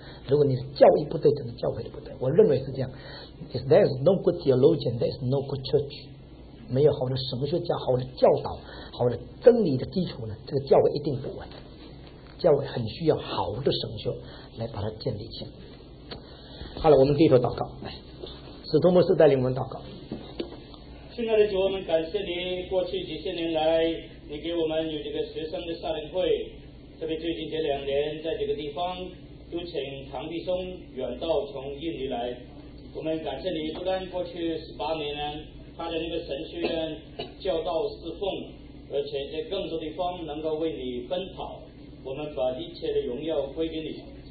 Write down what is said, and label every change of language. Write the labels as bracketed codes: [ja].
[zh] 如果你的教义不对，整个教会都不对。我认为是这样。 [en] If there is no good theologian, there is no good church。 [zh] 没有好的神学家、好的教导、好的真理的基础呢，这个教会一定不稳。教会很需要好的神学来把它建立起来。好了，我们低头祷告，使徒牧师带领我们祷告。亲爱的主，我们感谢你，过去几千年来，你给我们有这个学生的夏令会，特别最近这两年，在这个地方有请唐弟兄远道从印尼来，我们感谢你，不但过去十八年他的那个神学院教导侍奉，而且在更多地方能够为你奔跑，我们把一切的荣耀归给你。